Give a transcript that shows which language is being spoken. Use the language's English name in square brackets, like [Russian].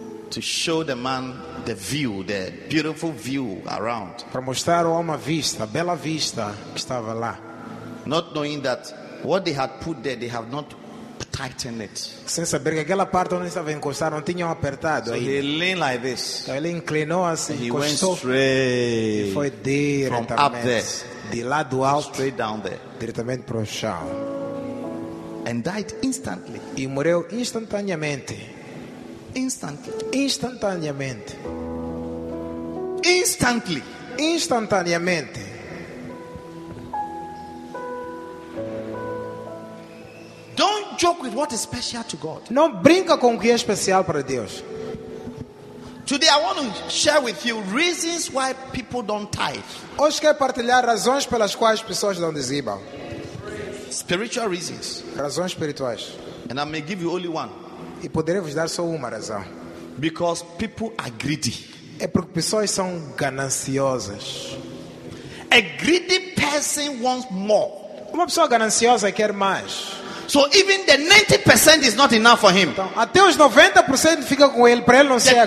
[English] To show the man the view, the beautiful view around. [Portuguese] Para mostrar ao homem a vista, a bela vista que estava lá. [English] Not knowing that what they had put there, they have not tightened it. [Portuguese] Sem saber que aquela parte onde estava encostado não tinham apertado. [English] So [Portuguese] aí. [English] He leaned like this. [Portuguese] Então ele inclinou assim. [English] And he went straight. [Portuguese] E foi diretamente. [English] From up there. [Portuguese] De lá do alto, [English] straight down there. [Portuguese] Diretamente para o chão. [English] And died instantly. [Portuguese] E morreu instantaneamente. [English] Instantly. [Portuguese] Instantaneamente. [English] Instantly. [Portuguese] Instantaneamente. [English] Don't joke with what is special to God. [Portuguese] Não brinca com o que é especial para Deus. [English] Today I want to share with you reasons why people don't tithe. [Portuguese] Hoje quero partilhar razões pelas quais pessoas não dizimam. [English] Spiritual reasons. [Portuguese] Razões espirituais. [English] And I may give you only one. [Portuguese] E poderei vos dar só uma razão. [English] Because people are greedy. [Portuguese] É porque pessoas são gananciosas. [English] A greedy person wants more. [Portuguese] Uma pessoa gananciosa quer mais. [English] So even the 90% is not enough for him. [Portuguese] Então, até os 90% fica com ele, para ele não chega.